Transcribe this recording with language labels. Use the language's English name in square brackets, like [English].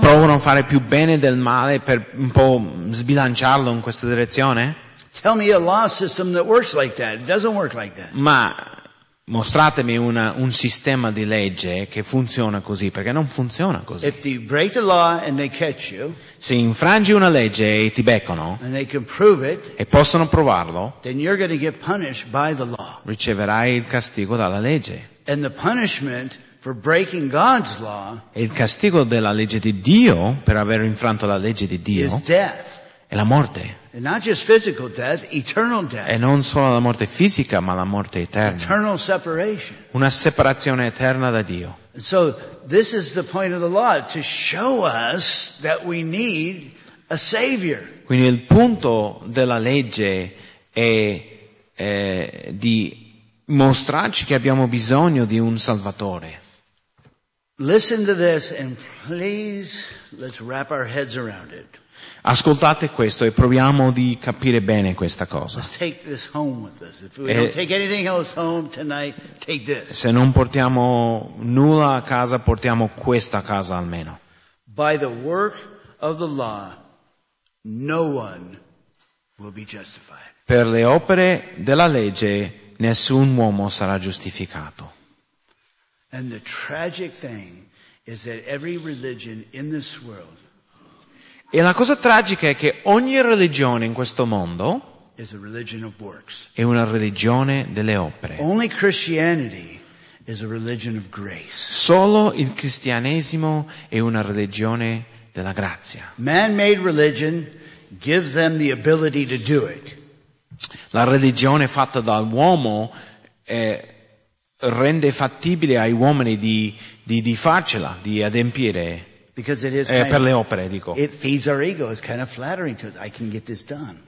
[Italian] Provano a fare più bene del male per un po' sbilanciarlo in questa direzione. [English] Tell me a law system that works like that. It doesn't work like that. [Italian] Ma mostratemi un sistema di legge che funziona così, perché non funziona così. [English] If they break the law and they catch you, [Italian] se infrangi una legge e ti beccano, [English] and they can prove it, [Italian] e possono provarlo, [English] then you're going to get punished by the law. [Italian] Riceverai il castigo dalla legge. [English] And the punishment for breaking God's law, [Italian] e il castigo della legge di Dio per aver infranto la legge di Dio, [English] is death. [Italian] È la morte. [English] And not just physical death, eternal death. [Italian] E non solo la morte fisica, ma la morte eterna. [English] Eternal separation. [Italian] Una separazione eterna da Dio. [English] And so this is the point of the law, to show us that we need a savior. [Italian] Quindi il punto della legge è di mostrarci che abbiamo bisogno di un salvatore. [English] Listen to this and please let's wrap our heads around it. [Italian] Ascoltate questo e proviamo di capire bene questa cosa. [English] Let's take this home with us. If we don't take anything else home tonight, take this. [Italian] Se non portiamo nulla a casa, portiamo questa a casa almeno. [English] By the work of the law, no one will be justified. [Italian] Per le opere della legge, nessun uomo sarà giustificato. [English] And the tragic thing is that every religion in this world, [Italian] e la cosa tragica è che ogni religione in questo mondo è una religione delle opere. [English] Only Christianity is a religion of grace. [Italian] Solo il cristianesimo è una religione della grazia. [English] Man-made religion gives them the ability to do it. [Italian] La religione fatta dall'uomo rende fattibile ai uomini di farcela, di adempiere. [English] Because it is [Italian] per le opere, dico. [English] It feeds our ego. It's kind of flattering because I can get this done.